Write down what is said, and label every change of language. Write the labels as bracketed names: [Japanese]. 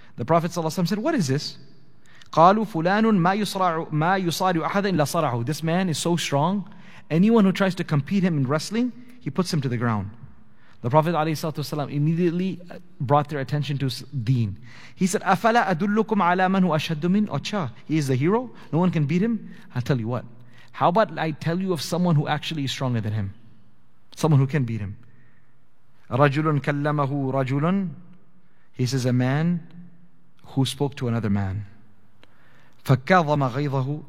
[English] The Prophet sallallahu alayhi wasalam said, what is this? [Arabic] قَالُوا فُلَانٌ مَا يُصَارِعُ أَحَدًا إِلَّا صَرَعُهُ. [English] This man is so strong, anyone who tries to compete him in wrestling, he puts him to the ground. The Prophet alayhi salatu wasalam immediately brought their attention to deen. He said, [Arabic] أَفَلَا أَدُلُّكُمْ عَلَىٰ مَنْ هُوَ أَشَدُّ مِنْ أَوْشَىٰ. [English] He is the hero, no one can beat him. I'll tell you what. How about I tell you of someone who actually is stronger than him? Someone who can beat him. [Arabic] رَجُلٌ كَلَّمَهُ رَجُلٌ. [English] He says, a man who spoke to another man. [Arabic] فَكَظَمَ غَيْظَهُ.